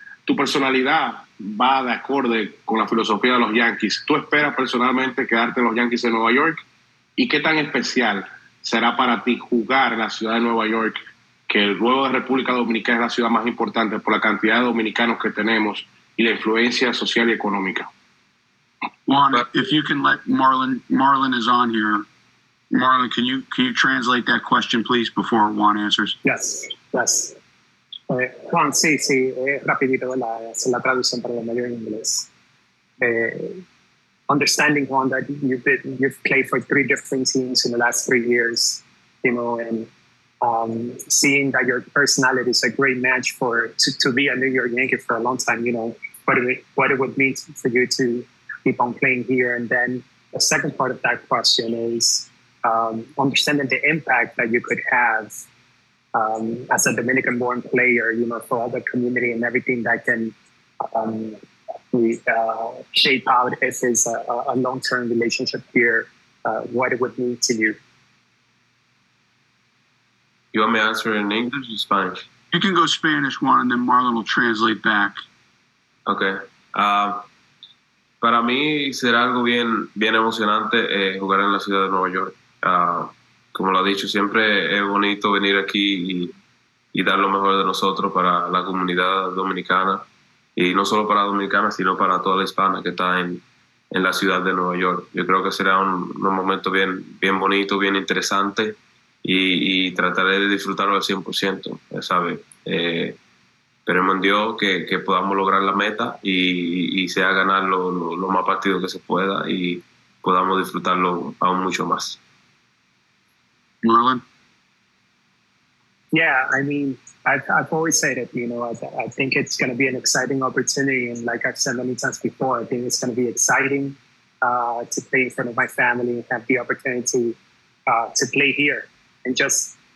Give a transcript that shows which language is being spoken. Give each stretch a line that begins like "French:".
Spanish: Tu personalidad va de acorde con la filosofía de los Yankees. ¿Tú esperas personalmente quedarte en los Yankees de Nueva York? ¿Y qué tan especial será para ti jugar en la ciudad de Nueva York, que luego de República Dominicana es la ciudad más importante por la cantidad de dominicanos que tenemos y la influencia social y económica?
English: Juan, if you can let Marlon is on here. Marlon, can you translate that question, please, before Juan answers?
Spanish: Yes. Juan, sí, rapidito, ¿verdad? Es la traducción para el medio en inglés.
English: Understanding, Juan, that you've played for three different teams in the last 3 years, you know, and seeing that your personality is a great match for to be a New York Yankee for a long time, you know, what it would mean for you to keep on playing here. And then the second part of that question is understanding the impact that you could have as a Dominican-born player, you know, for all the community and everything that can shape out if it's a long-term relationship here, what it would mean to you. You want me to answer in English or Spanish? You can go Spanish, Juan, and then Marlon will translate back. Okay.
Spanish: Para mí será algo bien emocionante jugar en la ciudad de Nueva York. Como lo ha dicho, siempre es bonito venir aquí y dar lo mejor de nosotros para la comunidad dominicana. Y no solo para dominicanas, sino para toda la hispana que está en la ciudad de Nueva York. Yo creo que será un momento bien bonito, bien interesante. Y trataré de disfrutarlo al 100%, ya sabes. Esperemos en Dios que podamos lograr la meta y sea ganar lo más partido que se pueda y podamos disfrutarlo aún mucho más.
English: Merlin? Yeah, I mean, I've always said it, you know, I think it's going to be an exciting opportunity. And like I've said many times before, I think it's going to be exciting to play in front of my family and have the opportunity to play here. And just